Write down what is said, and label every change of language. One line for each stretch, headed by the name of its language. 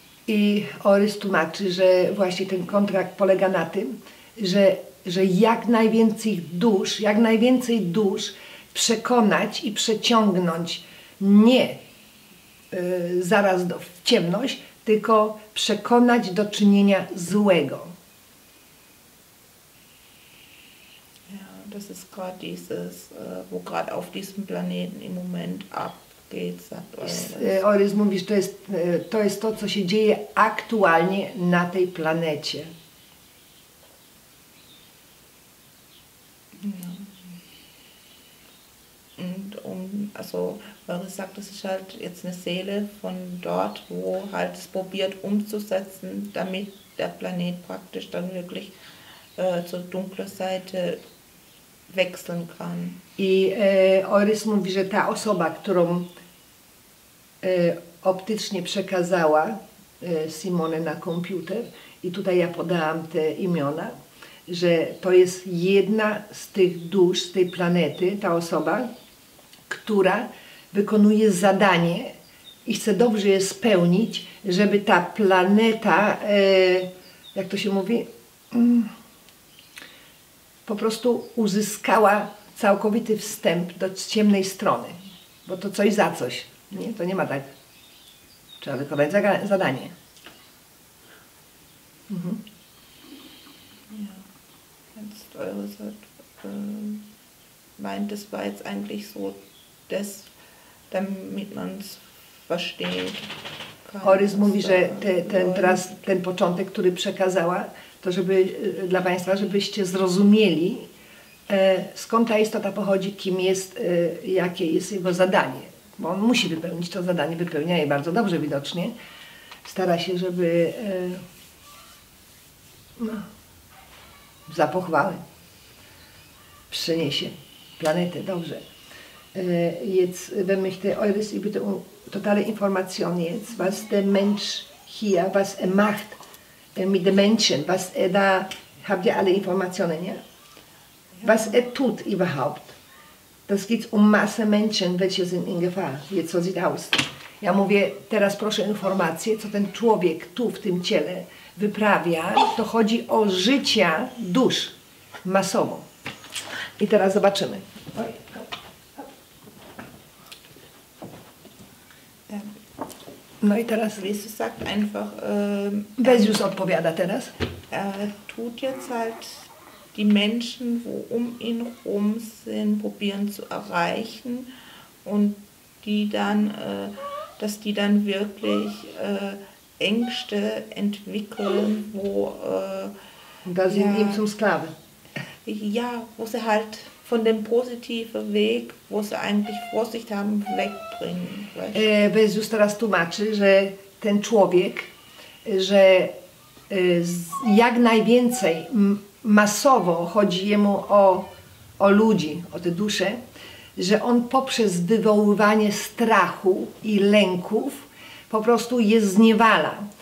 Polish: I Eures tłumaczy, że właśnie ten kontrakt polega na tym, że jak najwięcej dusz przekonać i przeciągnąć nie zaraz w ciemność, tylko przekonać do czynienia złego.
German: Das ist gerade dieses, wo gerade auf diesem Planeten im Moment abgeht, sagt Eures.
Polish: Eures mówi, że to jest to, co się dzieje aktualnie na tej planecie.
German: Ja. Und um, Also Eures sagt, das ist halt jetzt eine Seele von dort, wo halt es probiert umzusetzen, damit der Planet praktisch dann wirklich zur dunklen Seite wechseln kann.
Polish: I Eures mówi, że ta osoba, którą optycznie przekazała Simone na komputer, i tutaj ja podałam te imiona, że to jest jedna z tych dusz, z tej planety, ta osoba, która wykonuje zadanie i chce dobrze je spełnić, żeby ta planeta, jak to się mówi, po prostu uzyskała całkowity wstęp do ciemnej strony. Bo to coś za coś, nie? To nie ma tak. Trzeba wykonać zadanie. Mhm.
German: Eures hat, meint, das war jetzt eigentlich so das, damit man es versteht.
Polish: Eures mówi, że teraz ten początek, który przekazała, to żeby dla Państwa, żebyście zrozumieli, skąd ta istota pochodzi, kim jest, jakie jest jego zadanie. Bo on musi wypełnić to zadanie, wypełnia je bardzo dobrze widocznie. Stara się, żeby... za pochwałę przeniesie planetę, dobrze.
German: Jetzt, wenn mich der Eures über die totale Information jetzt, was der Mensch hier, was macht mit den Menschen, was da, habt ihr alle Informationen, nie? Was tut überhaupt? Das geht Masse Menschen, welche sind in Gefahr, jetzt so sieht aus.
Polish: Ja mówię, teraz proszę informację, co ten człowiek tu w tym ciele wyprawia, to chodzi o życia dusz masowo. I teraz zobaczymy. No i teraz
German: Jesus sagt einfach,
Polish: Bezius odpowiada teraz.
German: Tut jetzt halt die Menschen, wo ihn rum sind, probieren zu erreichen und die dann dass die dann wirklich Ängste entwickeln, wo... Da sind ja, ihm zum Sklave. Ja, wo sie halt von dem positiven Weg, wo sie eigentlich Vorsicht haben, wegbringen.
Polish: Jesus teraz tłumaczy, że ten człowiek, że jak najwięcej masowo chodzi jemu o ludzi, o te dusze, że on poprzez wywoływanie strachu i lęków po prostu je zniewala.